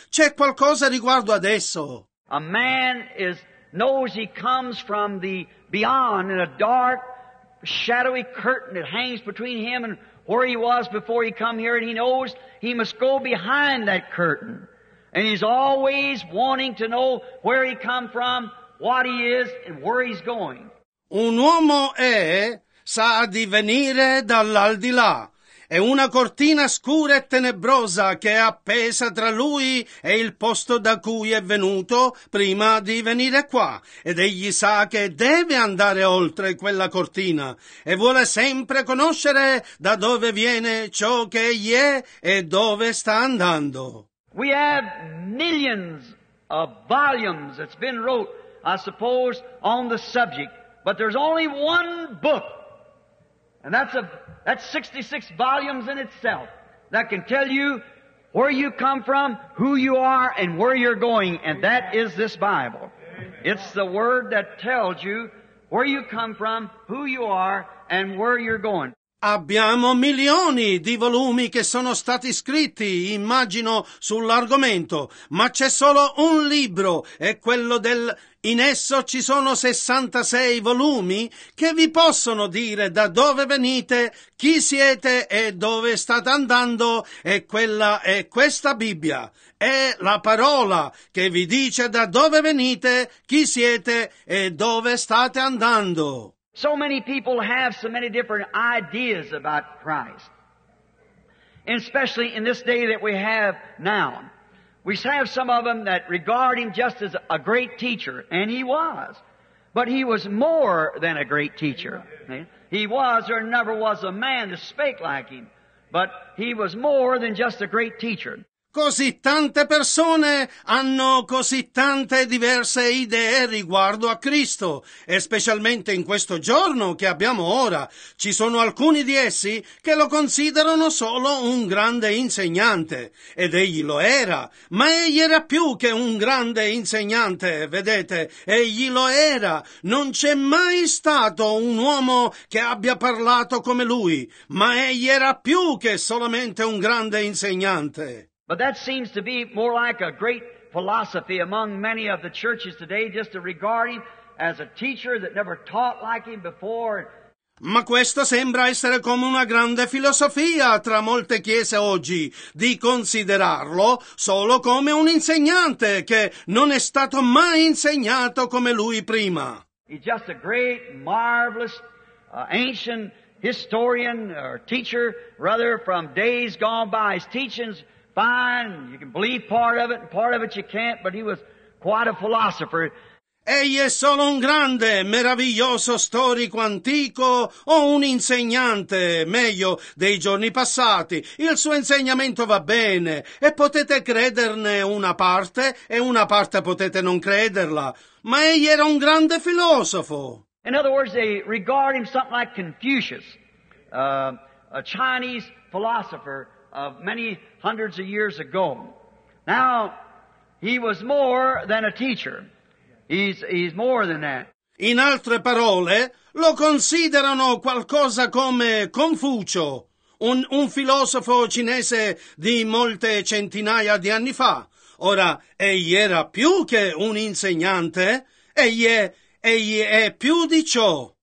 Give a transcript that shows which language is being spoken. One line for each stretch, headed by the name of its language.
Italian: C'è qualcosa riguardo ad esso.
English: A man is knows he comes from the beyond in a dark shadowy curtain that hangs between him and where he was before he come here, and he knows he must go behind that curtain, and he's always wanting to know where he come from, what he is, and where he's going.
Italian: Un uomo è sa di venire dall'aldilà. È una cortina scura e tenebrosa che è appesa tra lui e il posto da cui è venuto prima di venire qua. Ed egli sa che deve andare oltre quella cortina e vuole sempre conoscere da dove viene ciò che egli è e dove sta andando.
English: We have millions of volumes that's been wrote, I suppose, on the subject. But there's only one book, and that's 66 volumes in itself that can tell you where you come from, who you are, and where you're going, and that is this Bible. It's the word that tells you where you come from, who you are, and where you're going.
Italian: Abbiamo milioni di volumi che sono stati scritti, immagino, sull'argomento, ma c'è solo un libro, è quello del... In esso ci sono 66 volumi che vi possono dire da dove venite, chi siete e dove state andando, e quella è questa Bibbia, è la parola che vi dice da dove venite, chi siete e dove state andando.
English: So many people have so many different ideas about Christ, especially in this day that we have now. We have some of them that regard him just as a great teacher, and he was. But he was more than a great teacher. He was, there never was a man that spake like him, but he was more than just a great teacher.
Italian: Così tante persone hanno così tante diverse idee riguardo a Cristo, e specialmente in questo giorno che abbiamo ora, ci sono alcuni di essi che lo considerano solo un grande insegnante, ed egli lo era, ma egli era più che un grande insegnante, vedete, egli lo era, non c'è mai stato un uomo che abbia parlato come lui, ma egli era più che solamente un grande insegnante.
English: But that seems to be more like a great philosophy among many of the churches today, just to regard him as a teacher that never taught like him before.
Italian: Ma questo sembra essere come una grande filosofia tra molte chiese oggi, di considerarlo solo come un insegnante che non è stato mai insegnato come lui prima.
English: He's just a great, marvelous, ancient historian or teacher, rather, from days gone by. His teachings... Fine, you can believe part of it you can't, but he was quite a philosopher.
Italian: Egli è solo un grande, meraviglioso storico antico o un insegnante, meglio, dei giorni passati. Il suo insegnamento va bene e potete crederne una parte e una parte potete non crederla. Ma egli era un grande filosofo.
English: In other words, they regard him something like Confucius, a Chinese philosopher of many hundreds of years ago. Now, he was more than a teacher. He's more than that.
Italian: In altre parole, lo considerano qualcosa come Confucio, un filosofo cinese di molte centinaia di anni fa. Ora, egli era più che un insegnante, egli è più di ciò.